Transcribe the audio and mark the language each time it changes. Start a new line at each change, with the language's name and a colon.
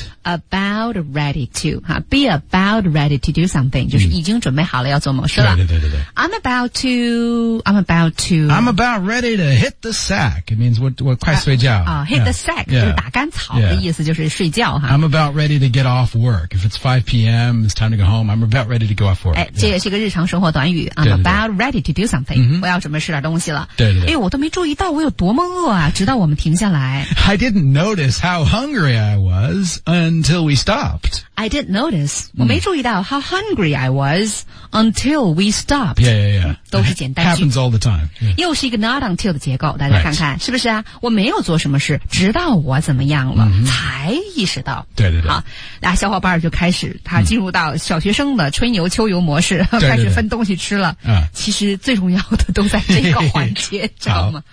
English: About ready to, 哈 be about ready to do something,、嗯、
Chinese: 就是已经准备好了要做某事了。对对对对对。
English: I'm about ready to hit the sack. It means
Chinese: 我快睡觉。
English: Hit the sack,、 yeah.
Chinese: 就是打干草的意思就是睡觉、
English: yeah.
Chinese: 哈。
English: I'm about ready to get off work. If it's 5 p.m, it's time to go home, I'm about ready to go off work.、哎 yeah.
Chinese: 这也是一个日常生活短语。
English: I'm about ready to do something. Mm-hmm.
Chinese: 我要准备吃点东西了。对对对。哎，我都没注意到我有多么饿啊！直到我们停下来。
English: I didn't notice how hungry I was until we stopped. I didn't notice.、Mm.
Chinese: 我没注意到
English: how hungry I was until we stopped. Yeah, yeah, yeah.
Chinese: 都是简单句。
English: Happens all the time.、
Chinese: Yeah. 又是一个
English: not until
Chinese: 的结构，大家看看、
English: right.
Chinese: 是不是啊？我没有做什么事，直到我怎么样了、 mm-hmm. 才意识到。对对对。好，那小伙伴就开始他进入到小学生的春游秋游模式，对对对开始分东西吃了。嗯、其实最重要。要的都在这个环节，知道吗？